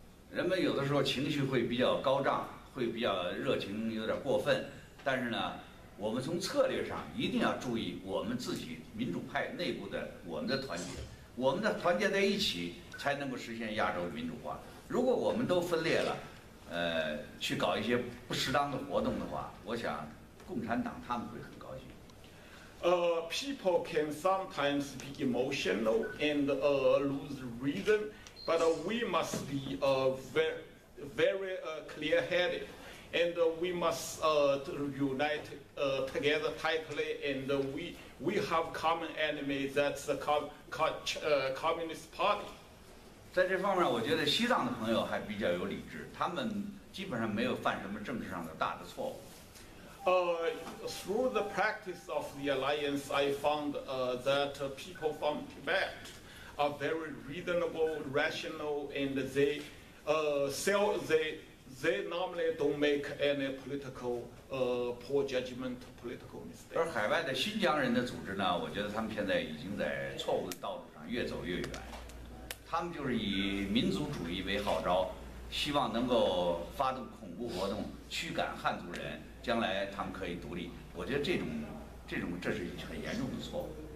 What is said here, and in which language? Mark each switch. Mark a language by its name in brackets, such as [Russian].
[Chinese] 人们有的时候情绪会比较高涨，会比较热情，有点过分，但是呢，我们从策略上一定要注意我们自己民主派内部的我们的团结，我们的团结在一起才能够实现亚洲民主化。如果我们都分裂了，去搞一些不适当的活动的话，我想共产党他们会很高兴。 [English] People can sometimes be emotional and lose reason, but we must be very clear-headed, and we must unite together tightly, and we have common enemy, that's the Communist Party. [Chinese] 在这方面，我觉得西藏的朋友还比较有理智，他们基本上没有犯什么政治上的大的错误。 [English] Through the practice of the alliance, I found that people from Tibet are very reasonable, rational, and they normally don't make any political poor judgment, political mistake. [Chinese] 而海外的新疆人的组织呢，我觉得他们现在已经在错误的道路上越走越远。他们就是以民族主义为号召，希望能够发动恐怖活动，驱赶汉族人，将来他们可以独立。我觉得这是很严重的错误。